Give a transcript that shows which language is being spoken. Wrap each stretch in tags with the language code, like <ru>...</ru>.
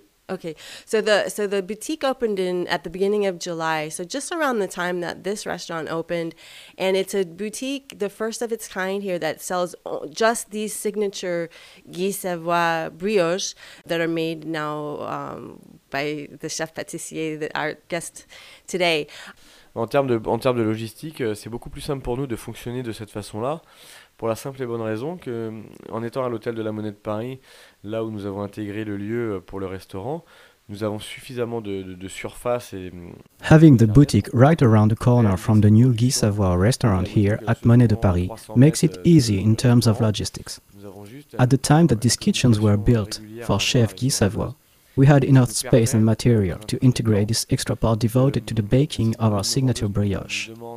<en>Okay, so the boutique opened at the beginning of July, so just around the time that this restaurant opened, and it's a boutique, the first of its kind here, that sells just these signature Guy Savoie brioches that are made now by the chef pâtissier, our guest today.</en> <fr>En termes de logistique, c'est beaucoup plus simple pour nous de fonctionner de cette façon-là. Pour la simple et bonne raison que, en étant à l'hôtel de la Monnaie de Paris, là où nous avons intégré le lieu pour le restaurant, nous avons suffisamment de surface et...</fr> <en>Having the boutique right around the corner from the new Guy Savoie restaurant here at Monnaie de Paris makes it easy in terms of logistics. At the time that these kitchens were built for Chef Guy Savoie, we had enough space and material to integrate this extra part devoted to the baking of our signature brioche.</en>